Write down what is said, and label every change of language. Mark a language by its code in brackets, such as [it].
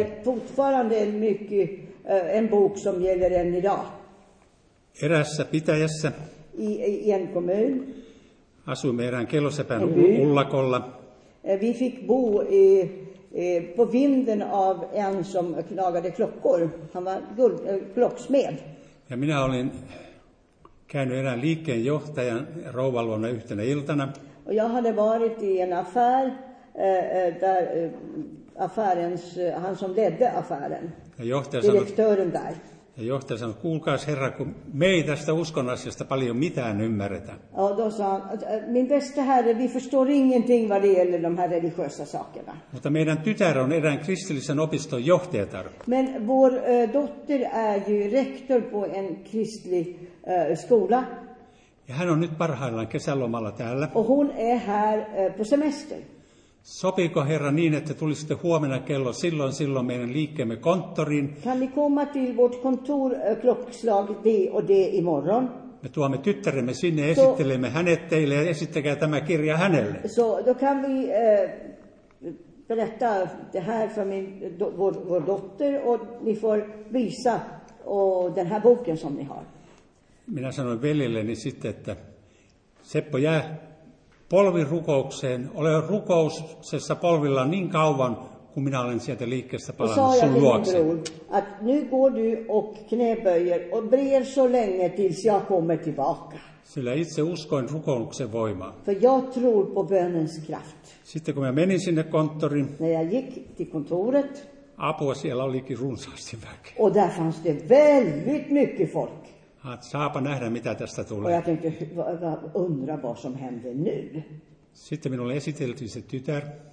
[sv] Det är fortfarande en mycket en bok som gäller än idag. [fi] Erässä pitäjässä. [sv] I en kommun. [fi] Asuimme erään kellosepän ullakolla. [sv] Vi fick bo i på vinden av en som lagade klockor. Han var klocksmed. [fi] Ja minä olin käynyt erään liikkeenjohtajan rouvan luona yhtenä iltana. [sv] Och jag hade varit i en affär där affärens, han som ledde affären, direktören där. [fi] Ja johtaja sanoi, kuulkaas herra, kun me ei tästä uskon asiasta paljon mitään ymmärretä. [sv] Ja då sa han, min bästa herre, vi förstår ingenting vad det gäller de här religiösa sakerna. [fi] Mutta meidän tytär on erään kristillisen opiston johtajatar. [sv] Men vår dotter är ju rektor på en kristlig skola. [fi] Ja hän on nyt parhaillaan kesälomalla täällä. [sv] Och hon är här på semester. [fi] Sopiiko herra niin, että tulisitte huomenna kello silloin meidän liikkeemme konttoriin? [sv] Kan ni komma till vårt kontor klockslag det och det imorgon? [fi] Me tuomme tyttäremme sinne, esittelemme hänet teille ja esittäkää tämä kirja hänelle. [sv] So, då kan vi berätta det här för min vår dotter och ni får visa och den här boken som ni har. [fi] Minä sanoin veljelleni sitten, että Seppo jää polvirukoukseen, ole rukouksessa polvilla niin kauan, kun minä olen sieltä liikkeestä palannut sun luokse. [sv] Att nu går du och knäböjer och ber så länge tills jag kommer tillbaka. [fi] Sillä itse uskoin rukouksen voimaan. [sv] För jag tror på bönens kraft. [fi] Sitten kun minä menin sinne konttoriin. [sv] När jag gick till kontoret. [fi] Apua siellä olikin runsaasti väkeä. [sv] Och där fanns det väldigt mycket folk. [fi] Saapa nähdä, mitä tästä tulee. [sv] Och jag tänkte, undra vad som händer nu. [fi] Sitten minulle esiteltiin se tytär.